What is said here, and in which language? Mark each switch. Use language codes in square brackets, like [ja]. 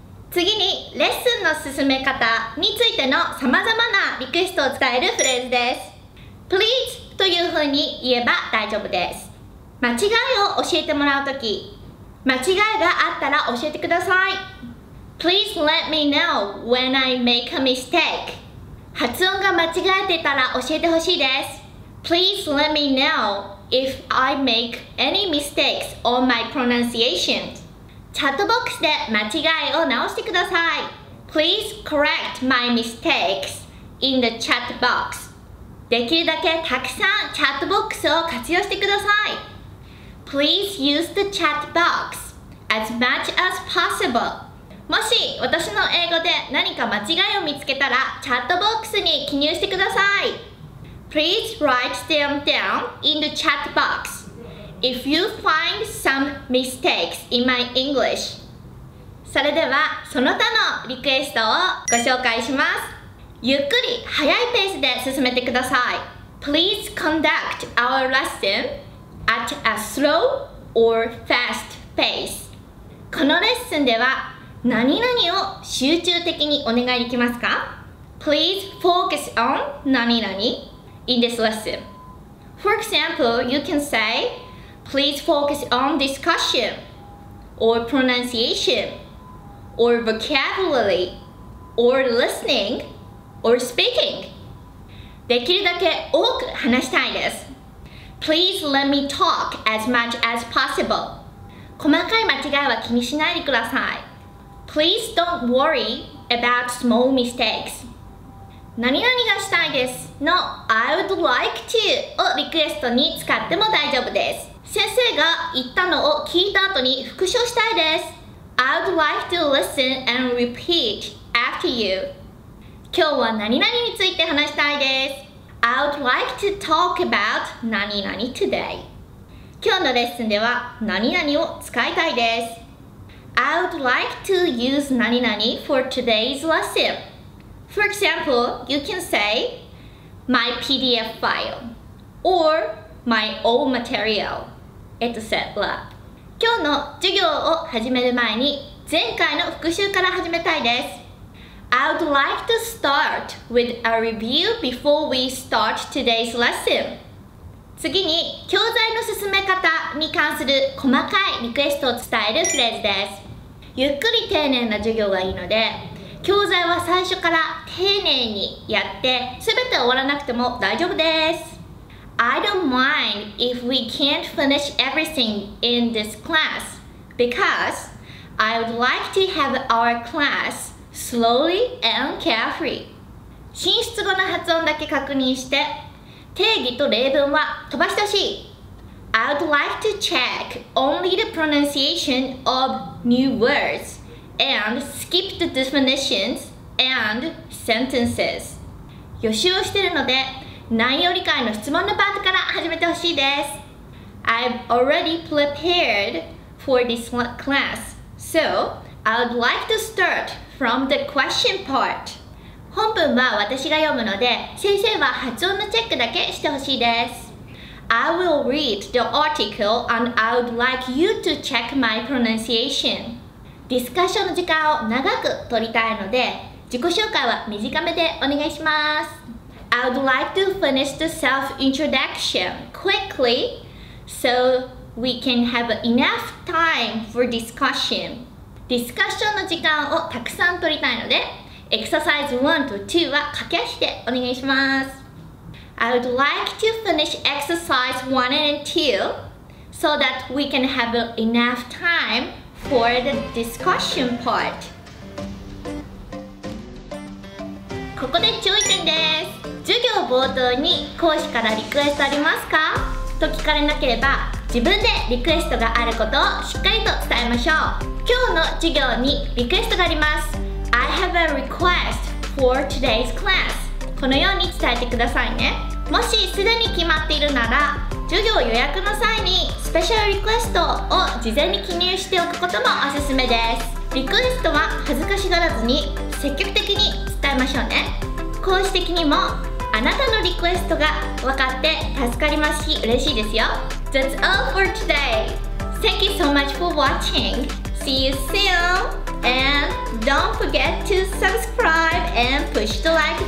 [ja] 次にレッスンの進め方についてのさまざまなリクエストを伝えるフレーズです。 [en] Please [ja] というふうに言えば大丈夫です。間違いを教えてもらうとき、間違いがあったら教えてください。 [en] Please let me know when I make a mistake. [ja] 発音が間違えてたら教えてほしいです。 [en] Please let me know if I make any mistakes on my pronunciation. [ja] チャットボックスで間違いを直してください。 [en] Please correct my mistakes in the chat box. [ja] できるだけたくさんチャットボックスを活用してください。 [en] Please use the chat box as much as possible. [ja] もし私の英語で何か間違いを見つけたらチャットボックスに記入してください。 [en] Please write them down in the chat box if you find some mistakes in my English. [ja] それではその他のリクエストをご紹介します。ゆっくり早いペースで進めてください。 [en] Please conduct our lesson at a slow or fast pace. [ja] このレッスンでは何々を集中的にお願いできますか? [en] Please focus on [ja] 何々 [en] in this lesson. For example, you can say, Please focus on discussion, or pronunciation, or vocabulary, or listening, or speaking. [ja] できるだけ多く話したいです。 [en] Please let me talk as much as possible. [ja] 細かい間違いは気にしないでください。 [en] Please don't worry about small mistakes. [ja] 何々がしたいですの [en] I would like to [ja] をリクエストに使っても大丈夫です。先生が言ったのを聞いた後に復唱したいです。 [en] I would like to listen and repeat after you. [ja] 今日は何々について話したいです。 [en] I would like to talk about [ja] 何々 [en] today. [ja] 今日のレッスンでは何々を使いたいです。 [en] I would like to use [ja] 何々 [en] for today's lesson. For example, you can say my PDF file or my old material, etc. [ja] 今日の授業を始める前に前回の復習から始めたいです。 [en] I would like to start with a review before we start today's lesson. [ja] 次に教材の進め方に関する細かいリクエストを伝えるフレーズです。ゆっくり丁寧な授業がいいので、教材は最初から丁寧にやって、すべて終わらなくても大丈夫です。 [en] I don't mind if we can't finish everything in this class, because I would like to have our class slowly and carefully. [ja] 進出後の発音だけ確認して、定義と例文は飛ばしてほしい。 [en] I would like to check only the pronunciation of new words and skip the definitions and sentences. [ja] 予習をしているので、内容理解の質問のパートから始めてほしいです。 [en] I've already prepared for this class, so I would like to start from the question part. [ja] 本文は私が読むので、先生は発音のチェックだけしてほしいです。 [en] I will read the article and I would like you to check my pronunciation. [ja] ディスカッションの時間を長く取りたいので、自己紹介は短めでお願いします。 [en] I would like to finish the self-introduction quickly so we can have enough time for discussion. [ja] ディスカッションの時間をたくさん取りたいので、exercise 1 と2は駆け足でお願いします。 [en] I would like to finish exercise 1 and 2 so that we can have enough time for the discussion part. [ja] ここで注意点です。授業冒頭に講師からリクエストありますか? と聞かれなければ、自分でリクエストがあることをしっかりと伝えましょう。今日の授業にリクエストがあります。 I have a request for today's class. このように伝えてくださいね。もしすでに決まっているなら、授業予約の際にスペシャルリクエストを事前に記入しておくこともおすすめです。リクエストは恥ずかしがらずに積極的に伝えましょうね。講師的にもあなたのリクエストが分かって助かりますし嬉しいですよ。 [en] That's all for today. Thank you so much for watching. See you soon. And don't forget to subscribe and push the